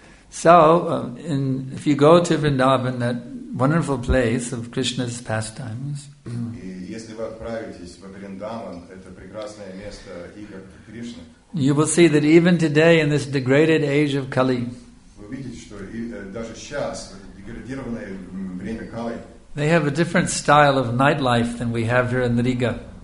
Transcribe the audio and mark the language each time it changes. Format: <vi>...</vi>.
<en>So, if you go to Vrindavan, that wonderful place of Krishna's pastimes.</en> <ru>Если вы отправитесь во Вриндаван, это прекрасное место игр Кришны.</ru> <en>You will see that even today in this degraded age of Kali.</en> <ru>Вы видите, что даже сейчас, в деградированное время Кали.</ru> <en>They have a different style of nightlife than we have here in Riga.</en>